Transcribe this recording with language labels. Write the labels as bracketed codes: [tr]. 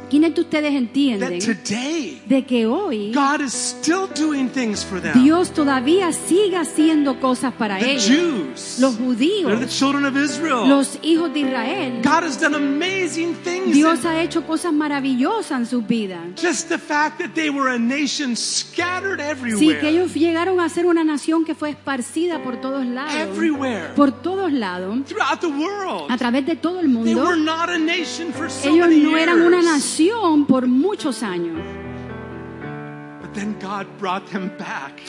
[es] ¿Quiénes de ustedes entienden [en] that today, [es] de que hoy [en] God is still doing things for them. [es] Dios todavía sigue haciendo cosas para [en] the [es] ellos. [en] Jews, [es] los judíos, [en] they're the children of Israel. [es] Los hijos de Israel. [en] God has done amazing things. [es] Dios ha hecho cosas maravillosas en sus vidas. [en] Just the fact that they were a nation scattered everywhere. [es] Sí, que ellos llegaron a ser una nación que fue esparcida por todos lados. [en] Everywhere. [es] Por todos lados. [en] Throughout the world. [es] A través de todo el mundo. [en] They were not a nation for so [es] ellos [en] many [es] no eran [en] years. [es] Una nación por muchos años. [en] But then God brought them back.